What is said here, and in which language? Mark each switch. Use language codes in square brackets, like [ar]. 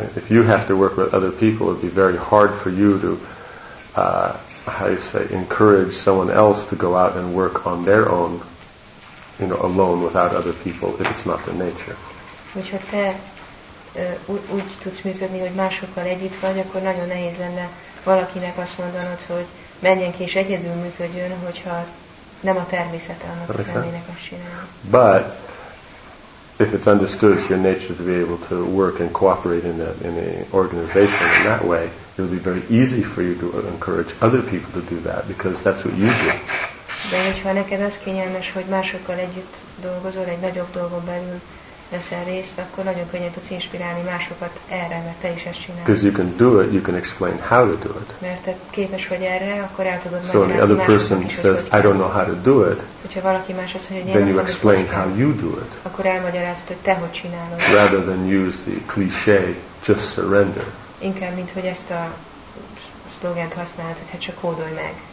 [en] Right. If you have to work with other people, it would be very hard for you to, how you say, encourage someone else to go out and work on their own, you know, alone without other people, if it's not their nature. [hu] Hogyha te úgy tudsz működni, hogy másokkal együtt vagy, akkor nagyon nehéz lenne valakinek azt mondanod, hogy menjen ki és egyedül működjön, hogyha nem a természete annak a személynek azt csinálni. [en] But if it's understood it's your nature to be able to work and cooperate in an organization in that way, it will be very easy for you to encourage other people to do that because that's what you do. [hu] De hogyha neked az kényelmes, hogy másokkal együtt dolgozol, egy nagyobb dolgon belül veszel részt, akkor nagyon könnyen tudsz inspirálni másokat erre, mert te is ezt csinálsz. [en] Because you can do it, you can explain how to do it. [hu] Mert te képes vagy erre, akkor el tudod [en] so [hu] magyarázni. [en] So the other person says, I don't know how to do it. [hu] Hogyha valaki más azt mondja, hogy [en] then you explain how you do it. [hu] Akkor elmagyarázod, hogy te hogy csinálod. [en] Rather than use the cliché, just surrender. [hu] Inkább mint hogy ezt a szlogent használod, hogy hát csak hódolj meg.